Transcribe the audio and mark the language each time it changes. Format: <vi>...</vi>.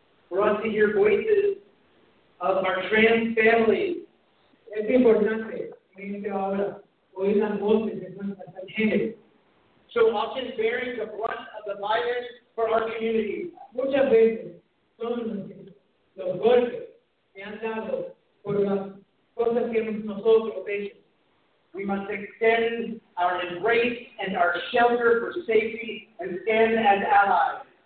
<en>want to hear voices of our trans families.</en> <es>Es importante en esta hora oír las voces de nuestras familias.</es> <en>So often bearing the brunt of the violence for our community.</en> <es>Muchas veces son los golpes que han dado por las cosas que nosotros hemos.</es> <en>We must extend our embrace and our shelter for safety and stand as allies.</en>